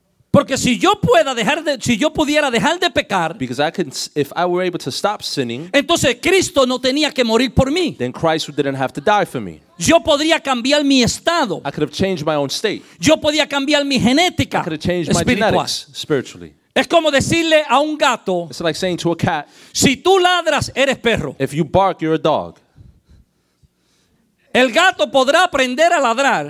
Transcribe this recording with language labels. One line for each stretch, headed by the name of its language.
Spanish: Porque si yo pudiera dejar de pecar,
English: if I were able to stop sinning,
Spanish: entonces Cristo no tenía que morir por mí.
English: Then Christ didn't have to die for me.
Spanish: Yo podría cambiar mi estado.
English: I could have changed my own state.
Spanish: Yo podía cambiar mi genética.
English: I could have changed
Spanish: espiritual.
English: My genetics spiritually.
Spanish: Es como decirle a un gato.
English: It's like saying to a cat.
Spanish: Si tú ladras, eres perro.
English: If you bark, you're a dog.
Spanish: El gato podrá aprender a ladrar.